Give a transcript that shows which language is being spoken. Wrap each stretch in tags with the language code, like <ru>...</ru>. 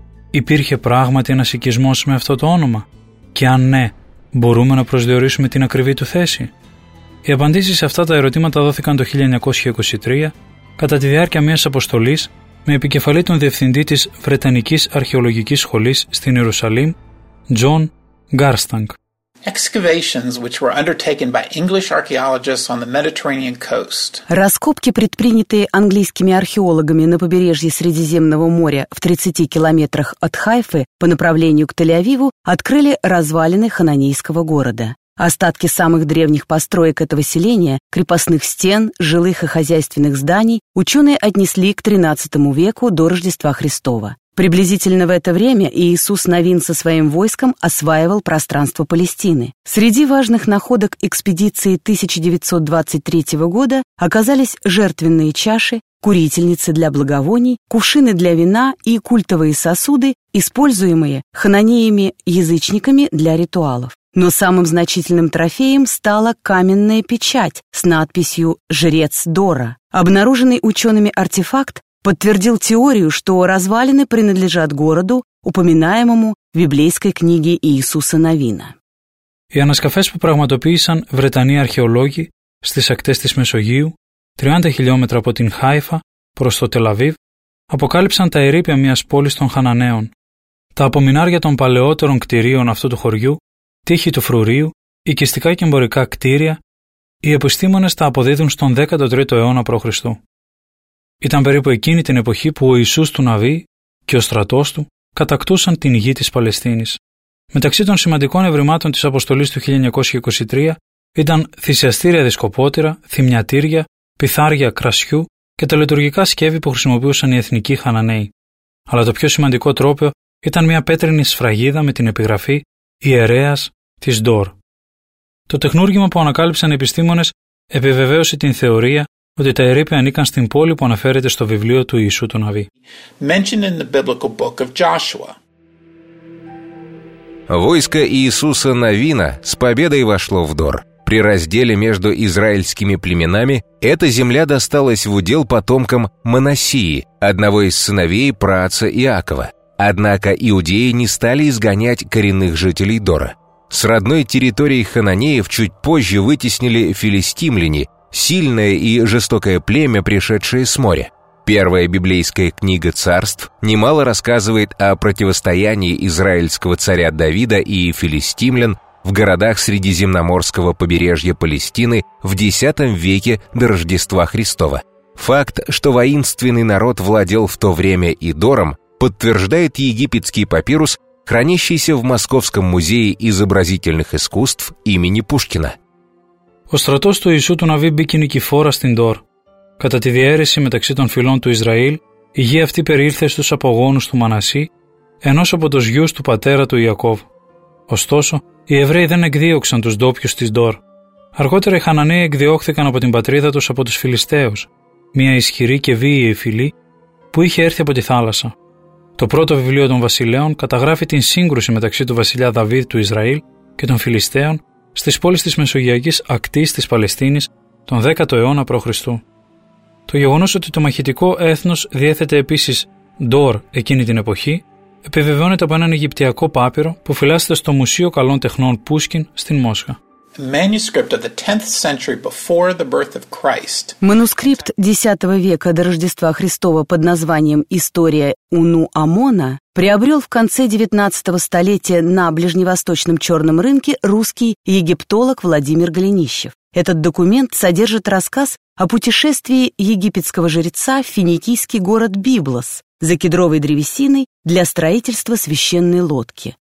<el>Υπήρχε πράγματι ένας οικισμός με αυτό το όνομα? Και αν ναι, μπορούμε να προσδιορίσουμε την ακριβή του θέση? Οι απαντήσεις σε αυτά τα ερωτήματα δόθηκαν το 1923 κατά τη διάρκεια μιας αποστολής με επικεφαλή τον διευθυντή της Βρετανικής Αρχαιολογικής Σχολής στην Ιερουσαλήμ, Τζον Γκάρστανγκ.</el> <ru>Раскопки, предпринятые английскими археологами на побережье Средиземного моря в 30 километрах от Хайфы по направлению к Тель-Авиву, открыли развалины хананейского города. Остатки самых древних построек этого селения, крепостных стен, жилых и хозяйственных зданий, ученые отнесли к 13 веку до Рождества Христова. Приблизительно в это время Иисус Навин со своим войском осваивал пространство Палестины. Среди важных находок экспедиции 1923 года оказались жертвенные чаши, курительницы для благовоний, кувшины для вина и культовые сосуды, используемые хананеями-язычниками для ритуалов. Но самым значительным трофеем стала каменная печать с надписью «Жрец Дора». Обнаруженный учеными артефакт подтвердил теорию, что развалины принадлежат городу, упоминаемому в библейской книге Иисуса Навина.</ru> <el>Οι ανασκαφές που πραγματοποίησαν Βρετανοί αρχαιολόγοι στις ακτές της Μεσογείου, 30 χιλιόμετρα από την Χάιφα προς το Τελαβίβ, αποκάλυψαν τα ερείπια μιας πόλης των Χανανέων. Τα απομεινάρια των παλαιότερων κτηρίων αυτού του χωριού, τείχη του φρουρίου, οικιστικά και εμπορικά κτίρια, οι επιστήμονες τα αποδίδουν στον 13ο αιώνα π.Χ. Ήταν περίπου εκείνη την εποχή που ο Ιησούς του Ναβί και ο στρατός του κατακτούσαν την γη της Παλαιστίνης. Μεταξύ των σημαντικών ευρημάτων της αποστολής του 1923 ήταν θυσιαστήρια δισκοπότηρα, θυμιατήρια, πιθάρια κρασιού και τα λειτουργικά σκεύη που χρησιμοποιούσαν οι εθνικοί Χανανέοι. Αλλά το πιο σημαντικό τρόπαιο ήταν μια πέτρινη σφραγίδα με την επιγραφή «Ιερέας της Ντόρ». Το τεχνούργημα που ανακάλυψαν οι επιστήμονες επιβεβαίωσε την θεωρία ότι τα ερείπια ανήκαν στην πόλη που αναφέρεται στο βιβλίο του Ιησού του Ναβί.</el> <ru>Войско Иисуса Навина с победой вошло в Дор. При разделе между израильскими племенами эта земля досталась в удел потомкам Манассии, одного из сыновей праотца Иакова. Однако иудеи не стали изгонять коренных жителей Дора. С родной территории хананеев чуть позже вытеснили филистимляне, сильное и жестокое племя, пришедшее с моря. Первая библейская книга царств немало рассказывает о противостоянии израильского царя Давида и филистимлян в городах Средиземноморского побережья Палестины в X веке до Рождества Христова. Факт, что воинственный народ владел в то время Идором, подтверждает египетский папирус, хранящийся в Московском музее изобразительных искусств имени Пушкина.</ru> <el>Ο στρατός του Ιησού του Ναβί μπήκε νικηφόρα στην Ντόρ. Κατά τη διαίρεση μεταξύ των φυλών του Ισραήλ, η γη αυτή περιήλθε στους απογόνους του Μανασί, ενός από τους γιους του πατέρα του Ιακώβ. Ωστόσο, οι Εβραίοι δεν εκδίωξαν τους ντόπιους της Ντόρ. Αργότερα οι Χανανέοι εκδιώχθηκαν από την πατρίδα τους από τους Φιλισταίους, μια ισχυρή και βίαιη φυλή που είχε έρθει από τη θάλασσα. Το πρώτο βιβλίο των βασιλέων καταγράφει την σύγκρουση μεταξύ του βασιλιά Δαβίδ του Ισραήλ και των Φιλισταίων στις πόλεις της Μεσογειακής Ακτής της Παλαιστίνης τον 10ο αιώνα π.Χ. Το γεγονός ότι το μαχητικό έθνος διέθετε επίσης Ντόρ εκείνη την εποχή επιβεβαιώνεται από έναν Αιγυπτιακό πάπυρο που φυλάσσεται στο Μουσείο Καλών Τεχνών Πούσκιν στην Μόσχα.</el> <en>Manuscript of the 10th century before the birth of Christ.</en> <ru>Манускрипт 10 века до Рождества Христова под названием «История Уну Амона» приобрел в конце 19 столетия на ближневосточном черном рынке русский египтолог Владимир Голенищев. Этот документ содержит рассказ о путешествии египетского жреца в финикийский город Библос за кедровой древесиной для строительства священной лодки.</ru>